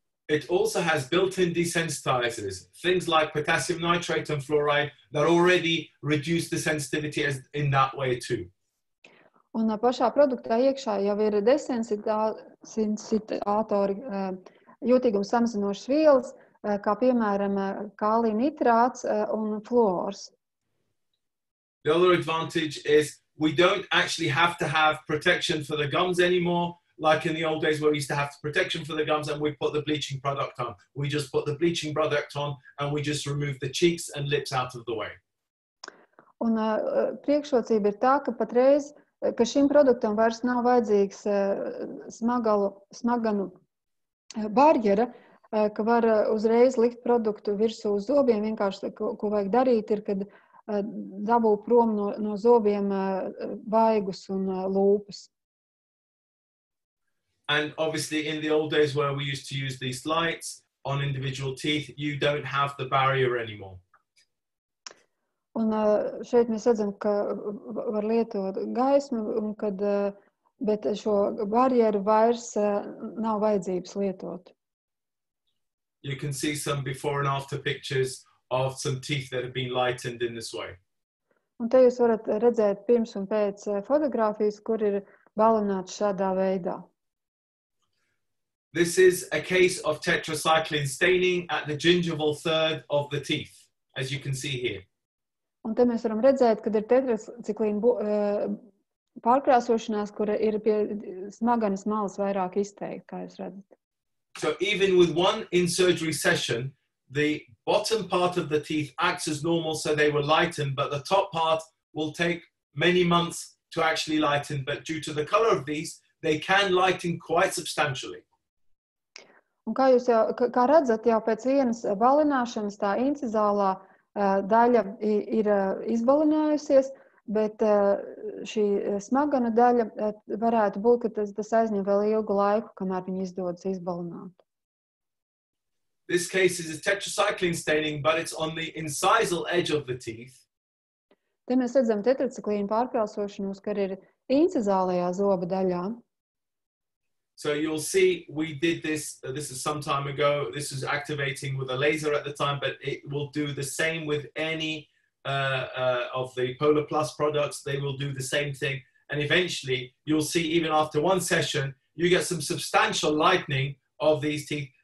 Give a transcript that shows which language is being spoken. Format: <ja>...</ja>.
<en>It also has built-in desensitizers, things like potassium nitrate and fluoride that already reduce the sensitivity in that way too.</en> <lv>Un pašā produktā iekšā jau ir desensitātori jūtīgums samazinošas vielas, kā piemēram kālija nitrāts un fluors.</lv> <en>The other advantage is we don't actually have to have protection for the gums anymore, like in the old days where we used to have protection for the gums and we put the bleaching product on. We just put the bleaching product on and we just remove the cheeks and lips out of the way.</en> <lv>Un priekšrocība ir tā, ka patreiz ka šim produktam vairs nav vajadzīgs smaganu barjera, ka var uzreiz likt produktu virsū uz zobiem. Vienkārši, ko vajag darīt, ir, kad dabū prom no zobiem vaigus un lūpas.</lv> <en>And obviously, in the old days where we used to use these lights on individual teeth, you don't have the barrier anymore.</en> <lv>Un šeit mēs redzam, ka var lietot gaismu, un kad, bet šo barjeru vairs nav vajadzības lietot.</lv> <en>You can see some before and after pictures of some teeth that have been lightened in this way.</en> <lv>Un te jūs varat redzēt pirms un pēc fotogrāfijas, kur ir balināts šādā veidā.</lv> <en>This is a case of tetracycline staining at the gingival third of the teeth, as you can see here.</en> <lv>Un te mēs varam redzēt, kad ir tetracikliņa pārkrāsošanās, kura ir pie smaganas malas vairāk izteikta, kā jūs redzat.</lv> <en>So even with one in surgery session, the bottom part of the teeth acts as normal, so they will lighten, but the top part will take many months to actually lighten, but due to the color of these, they can lighten quite substantially.</en> <lv>Un kā jūs jau, kā redzat, jau pēc vienas balināšanas tā incizālā daļa ir izbalinājusies, bet šī smagana daļa varētu būt, ka tas aizņem vēl ilgu laiku, kamēr viņi izdodas izbalināt.</lv> <en>This case is a tetracycline staining, but it's on the incisal edge of the teeth.</en> <lv>Te mēs redzam tetracikliņu pārkrāsošanos, kur ir incizālajā zoba daļā.</lv> <en>So you'll see we did this, this is some time ago, this is activating with a laser at the time, but it will do the same with any of the Pola Plus products, they will do the same thing. And eventually, you'll see even after one session, you get some substantial lightening of these teeth.</en>